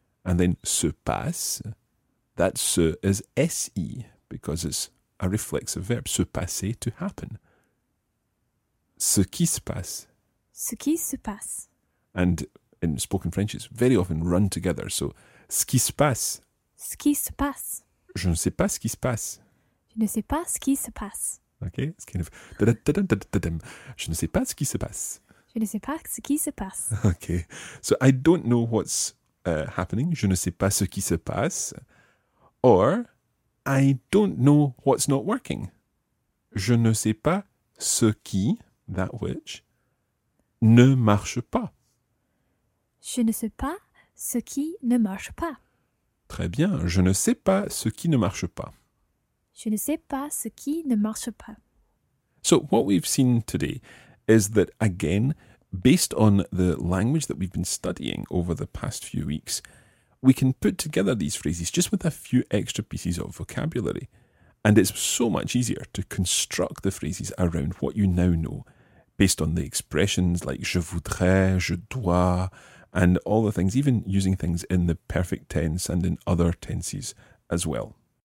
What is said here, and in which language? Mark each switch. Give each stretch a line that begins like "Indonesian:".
English: And then
French: se passe.
English: That ce is S-E, because it's a reflexive verb.
French: Se passer,
English: to happen.
French: Ce qui se passe. Ce qui se passe.
English: And in spoken French, it's very often run together. So,
French: ce qui se passe. Ce qui se passe. Je ne sais pas ce qui se passe. Je ne sais pas ce qui se passe.
English: Okay, it's kind of... Da-da-da-da-da-da-da-da-da-da.
French: Je ne sais pas ce qui se passe. Je ne sais pas ce qui se passe.
English: Okay, so I don't know what's happening.
French: Je ne sais pas ce qui se passe.
English: Or, I don't know what's not working.
French: Je ne sais pas ce qui,
English: that which,
French: ne marche pas. Je ne sais pas ce qui ne marche pas. Très bien. Je ne sais pas ce qui ne marche pas. Je ne sais pas ce qui ne marche pas.
English: So what we've seen today is that, again, based on the language that we've been studying over the past few weeks, we can put together these phrases just with a few extra pieces of vocabulary. And it's so much easier to construct the phrases around what you now know, based on the expressions like
French: je voudrais, je dois,
English: and all the things, even using things in the perfect tense and in other tenses as well.